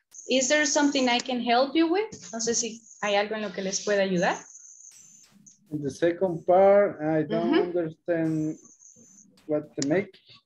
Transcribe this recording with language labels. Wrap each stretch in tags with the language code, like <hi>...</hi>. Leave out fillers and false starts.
<en>Is there something I can help you with?</en> <es>No sé si hay algo en lo que les pueda ayudar.</es> <en>In the second part, I don't understand what to make.</en>